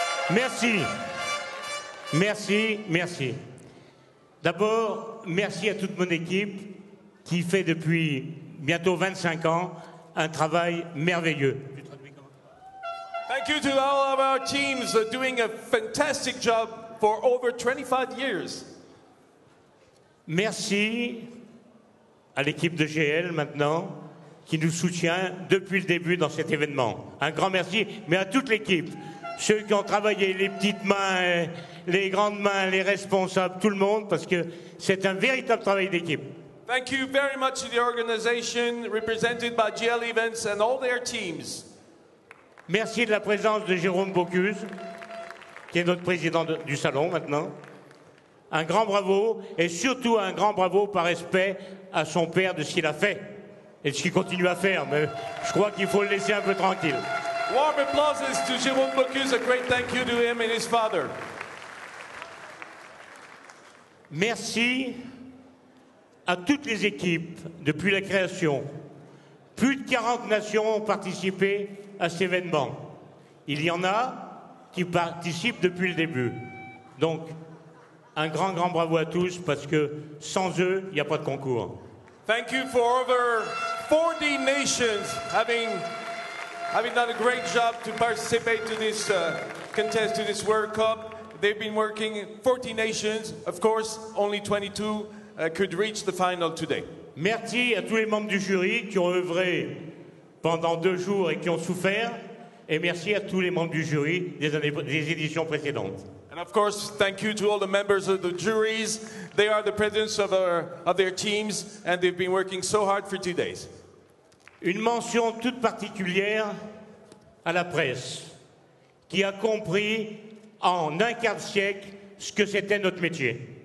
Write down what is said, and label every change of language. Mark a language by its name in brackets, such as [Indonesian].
[French] Merci. Merci, merci. D'abord, merci à toute mon équipe qui fait depuis bientôt 25 ans un travail merveilleux. Ta [English] Thank you to all of our teams doing a fantastic job for over 25 years. [French] Merci à l'équipe de GL maintenant qui nous soutient depuis le début dans cet événement. Un grand merci, mais à toute l'équipe, ceux qui ont travaillé, les petites mains, les grandes mains, les responsables, tout le monde, parce que c'est un véritable travail d'équipe. [English] Thank you very much to the organization represented by GL Events and all their teams. [French] Merci de la présence de Jérôme Bocuse, qui est notre président du salon maintenant. Un grand bravo, et surtout un grand bravo par respect à son père de ce qu'il a fait et de ce qu'il continue à faire, mais je crois qu'il faut le laisser un peu tranquille. [English] Warm applauses to Jérôme Bocuse, a great thank you to him and his father. [French] Merci à toutes les équipes depuis la création. Plus de 40 nations ont participé à cet événement. Il y en a qui participent depuis le début. Donc, un grand, grand bravo à tous parce que sans eux, il n'y a pas de concours. [English] Thank you for over 40 nations having done a great job to participate to this contest, to this World Cup. They've been working 40 nations. Of course, only 22 could reach the final today. [French] Merci à tous les membres du jury qui ont œuvré pendant deux jours et qui ont souffert. Et merci à tous les membres du jury des éditions précédentes. [English] And of course, thank you to all the members of the juries. They are the presidents of their teams and they've been working so hard for 2 days. [French] Une mention toute particulière à la presse qui a compris en un quart de siècle ce que c'était notre métier.